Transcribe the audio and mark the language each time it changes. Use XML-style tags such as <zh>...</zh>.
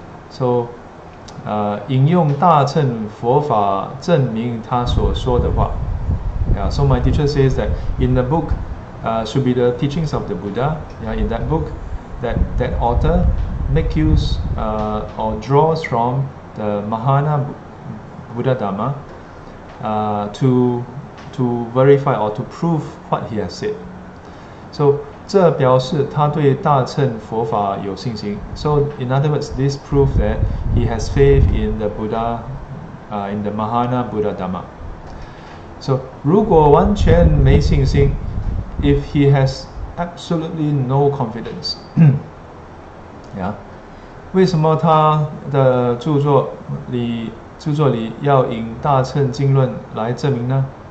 <zh>So 引用大乘佛法证明他所说的话.</zh> <en>Yeah, so my teacher says that in the book should be the teachings of the Buddha. Yeah, in that book, that author make use or draws from the Mahayana Buddha Dharma to verify or to prove what he has said.</en> <zh>So 这表示他对大乘佛法有信心.</zh> <en>So in other words, this proves that he has faith in the Buddha, in the Mahayana Buddha Dharma.</en> <zh>So 如果完全没信心,</zh> <en>if he has absolutely no confidence,</en> <zh>yeah, 为什么他的著作里要引大乘经论来证明呢?</zh>